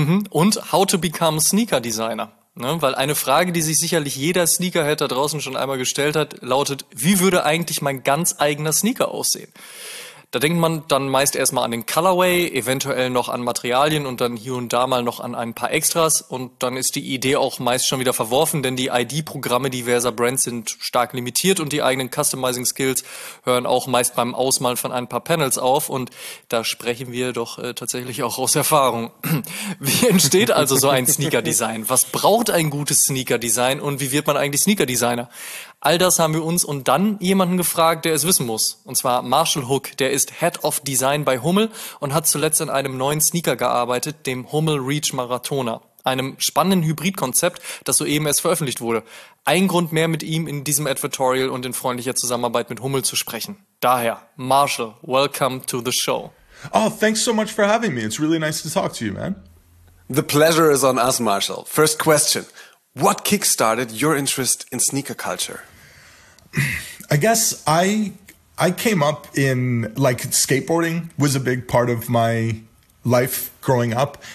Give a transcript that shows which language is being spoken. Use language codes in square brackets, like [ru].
[en] Und how to become Sneaker Designer. [de] Ne? Weil eine Frage, die sich sicherlich jeder Sneakerhead da draußen schon einmal gestellt hat, lautet, wie würde eigentlich mein ganz eigener Sneaker aussehen? Da denkt man dann meist erstmal an den Colorway, eventuell noch an Materialien und dann hier und da mal noch an ein paar Extras. Und dann ist die Idee auch meist schon wieder verworfen, denn die ID-Programme diverser Brands sind stark limitiert und die eigenen Customizing-Skills hören auch meist beim Ausmalen von ein paar Panels auf. Und da sprechen wir doch tatsächlich auch aus Erfahrung. Wie entsteht also so ein Sneaker-Design? Was braucht ein gutes Sneaker-Design und wie wird man eigentlich Sneaker-Designer? All das haben wir uns und dann jemanden gefragt, der es wissen muss. Und zwar Marshall Hook, der ist Head of Design bei Hummel und hat zuletzt an einem neuen Sneaker gearbeitet, dem Hummel Reach Marathoner. Einem spannenden Hybridkonzept, das soeben erst veröffentlicht wurde. Ein Grund mehr, mit ihm in diesem Advertorial und in freundlicher Zusammenarbeit mit Hummel zu sprechen. [en] Daher, Marshall, welcome to the show. Oh, thanks so much for having me. It's really nice to talk to you, man. The pleasure is on us, Marshall. First question. What kickstarted your interest in sneaker culture? I guess I came up in, like, skateboarding was a big part of my life growing up.